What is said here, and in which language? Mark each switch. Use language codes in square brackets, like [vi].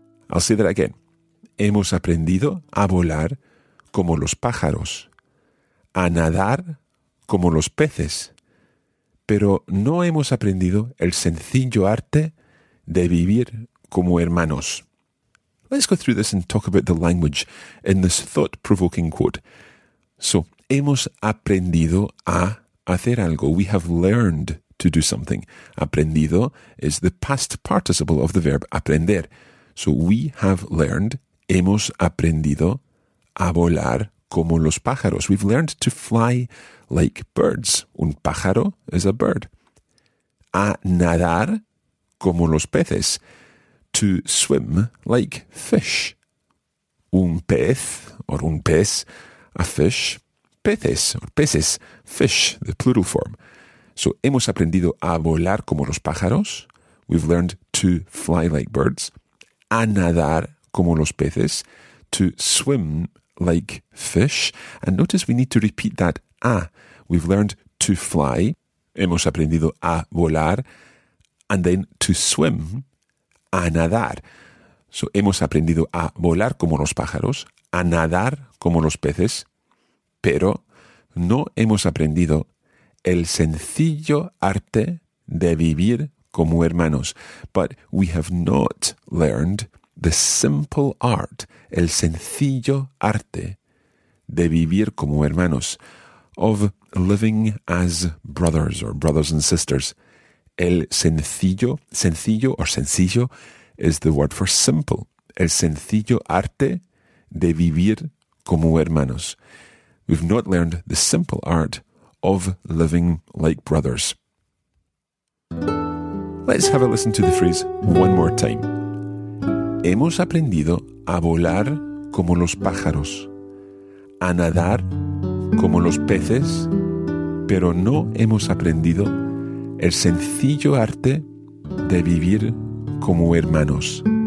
[en] I'll say that again. [es] Hemos aprendido a volar como los pájaros, a nadar como los peces, pero no hemos aprendido el sencillo arte de vivir como hermanos. [en] Let's go through this and talk about the language in this thought-provoking quote. [es] So, hemos aprendido a hacer algo. [en] We have learned to do something. Aprendido is the past participle of the verb aprender. [es] So, [en] we have learned, [es] hemos aprendido a volar como los pájaros. [en] We've learned to fly like birds. [es] Un pájaro [en] is a bird. [es] A nadar como los peces. [en] To swim like fish. [es] Un pez [en] or [es] un pez. [en] A fish, peces, or peces, fish, the plural form. [es] So, hemos aprendido a volar como los pájaros. [en] We've learned to fly like birds. [es] A nadar como los peces. [en] To swim like fish. And notice we need to repeat that a. We've learned to fly. [es] Hemos aprendido a volar. [en] And then to swim. [es] A nadar. So, hemos aprendido a volar como los pájaros. A nadar como los peces, pero no hemos aprendido el sencillo arte de vivir como hermanos. [en] But we have not learned the simple art, [es] el sencillo arte de vivir como hermanos, [en] of living as brothers or brothers and sisters. El sencillo, sencillo or sencillo is the word for simple. [es] El sencillo arte de vivir como hermanos. [en] We've not learned the simple art of living like brothers. Let's have a listen to the phrase one more time. [es] Hemos aprendido a volar como los pájaros, a nadar como los peces, pero no hemos aprendido el sencillo arte de vivir como hermanos.